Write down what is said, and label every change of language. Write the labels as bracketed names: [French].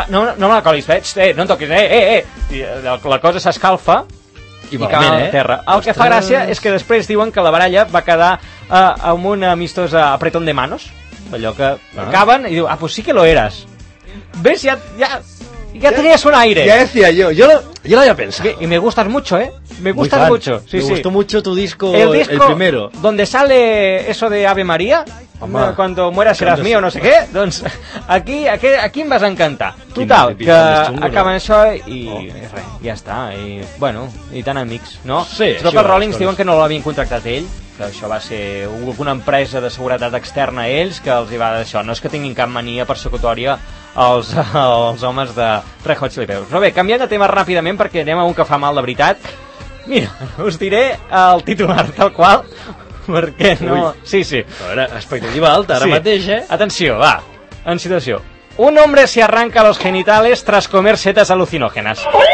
[Catalan] No me la colis, veig, no em toquis, I la cosa s'escalfa, i cau a terra. El que fa gràcia és que després diuen que la baralla va quedar amb un [Spanish] amistós apretón de manos, [Catalan] allò que acaben i diu, [Spanish] ah, pues sí que lo eras. Ves, ya tenías un aire. Ya decía yo lo había pensado. Y me gustas mucho, ¿eh? Me gustas mucho. Sí, me gustó mucho tu disco, el primero. Donde sale eso de Ave María, cuando mueras serás mío, no sé qué. [Catalan] Doncs aquí em vas a encantar. Total, que acaben això i ja està. I bueno, i tan amics, no? Sí. Però que els Rollings diuen que no l'havien contractat ell, que això va ser alguna empresa de seguretat externa a ells que els hi va d'això. No és que tinguin cap mania persecutòria els homes de Red Hot Chili Peppers. Però bé, canviem de tema ràpidament perquè anem a un que fa mal de veritat. Mira, us diré el titular tal qual, perquè no... Ui. Sí, sí. A veure, expectativa alta ara mateix, eh? Atenció, va, en situació. [Spanish] Un hombre se arranca los genitales tras comer setas alucinógenas.